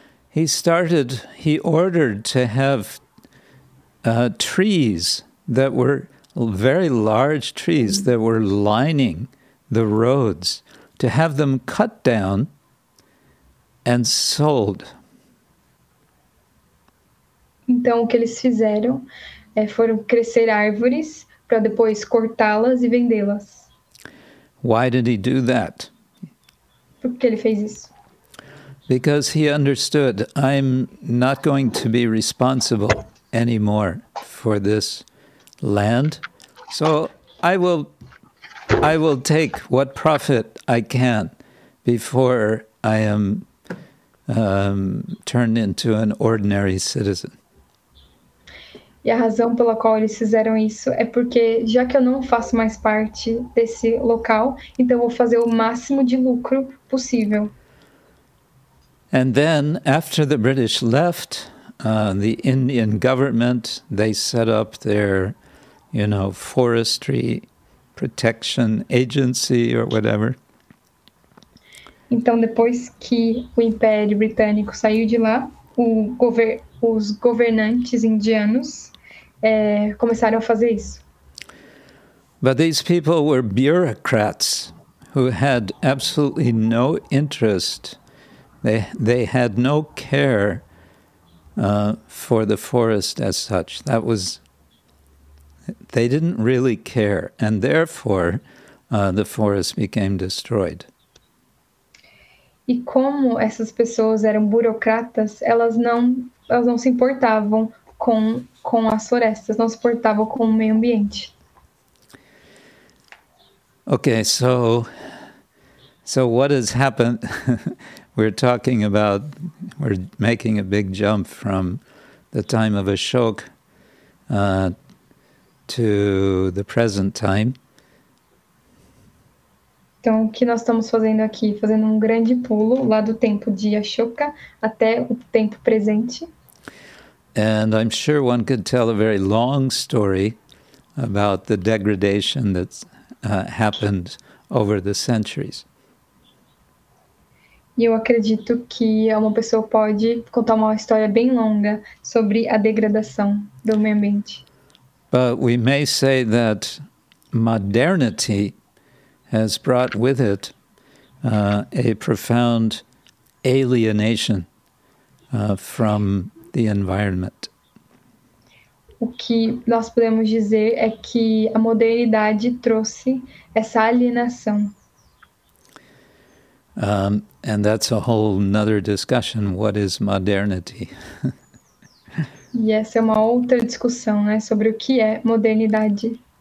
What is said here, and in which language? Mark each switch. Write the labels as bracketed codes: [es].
[en] He ordered to have trees that were very large trees that were lining the roads, to have them cut down and sold. [pt] Então, o que eles fizeram foram crescer árvores para depois cortá-las e vendê-las. [en] Why did he do that? [pt] Por que ele fez isso? [en] Because he understood, I'm not going to be responsible anymore for this land. So I will take what profit I can before I am turned into an ordinary citizen. [pt] E a razão pela qual eles fizeram isso é porque, já que eu não faço mais parte desse local, então vou fazer o máximo de lucro possível. [en] And then, after the British left, the Indian government, they set up their, you know, forestry protection agency or whatever. [pt] Então, depois que o Império Britânico saiu de lá, os governantes indianos começaram a fazer isso. [en] But these people were bureaucrats who had absolutely no interest. They had no care for the forest as such. That was, they didn't really care, and therefore the forest became destroyed. [pt] E como essas pessoas eram burocratas, elas não se importavam com as florestas, não se importavam com o meio ambiente. [en] Okay, so what has happened? We're talking about, we're making a big jump from the time of Ashoka to the present time. [pt] Então, o que nós estamos fazendo aqui? Fazendo um grande pulo lá do tempo de Ashoka até o tempo presente. [en] And I'm sure one could tell a very long story about the degradation that happened over the centuries. [pt] E eu acredito que uma pessoa pode contar uma história bem longa sobre a degradação do meio ambiente. [en] But we may say that modernity has brought with it a profound alienation from the environment. [pt] O que nós podemos dizer é que a modernidade trouxe essa alienação. [en] And that's a whole another discussion. What is modernity? [pt] E essa é uma outra discussão, né, sobre o que é modernidade.